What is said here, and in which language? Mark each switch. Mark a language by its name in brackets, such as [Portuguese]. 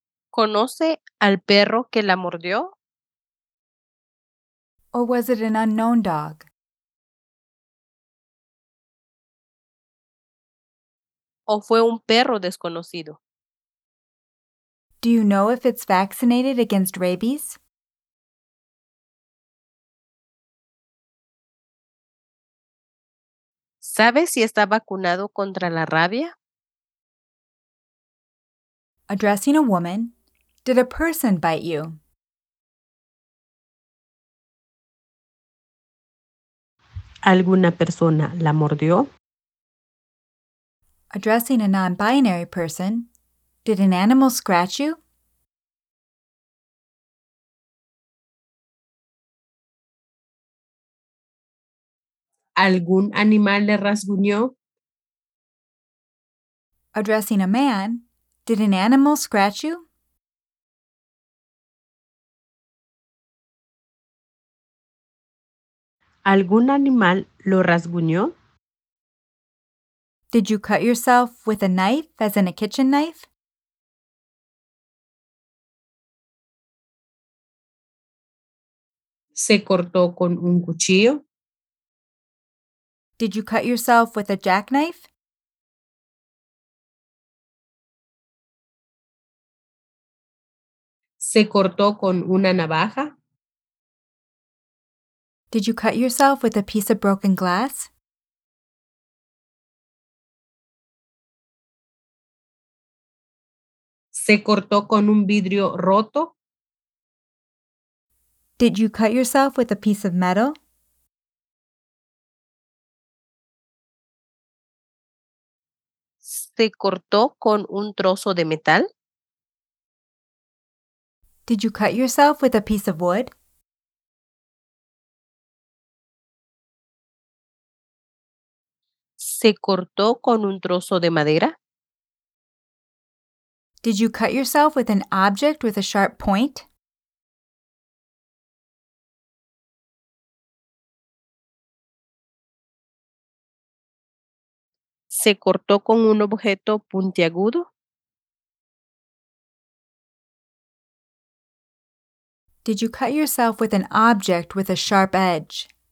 [Spanish] ¿Conoce al perro que la mordió? [English] Or was it an unknown dog? [Spanish] ¿O fue un perro desconocido? [English] Do you know if it's vaccinated against rabies? [Spanish] ¿Sabe si está vacunado contra la rabia? [English] Addressing a woman, did a person bite you? [Spanish] ¿Alguna persona la mordió? [English] Addressing a non-binary person, did an animal scratch you? [Spanish] ¿Algún animal le rasguñó? [English] Addressing a man, did an animal scratch you? [Spanish] ¿Algún animal lo rasguñó? [English] Did you cut yourself with a knife, as in a kitchen knife? [Spanish] ¿Se cortó con un cuchillo? [English] Did you cut yourself with a jackknife? [Spanish] ¿Se cortó con una navaja? [English] Did you cut yourself with a piece of broken glass? [Spanish] ¿Se cortó con un vidrio roto? [English] Did you cut yourself with a piece of metal? [Spanish] ¿Se cortó con un trozo de metal? [English] Did you cut yourself with a piece of wood? [Spanish] ¿Se cortó con un trozo de madera? [English] Did you cut yourself with an object with a sharp point? [Spanish] ¿Se cortó con un objeto puntiagudo? [English] Did you cut yourself with an object with a sharp edge?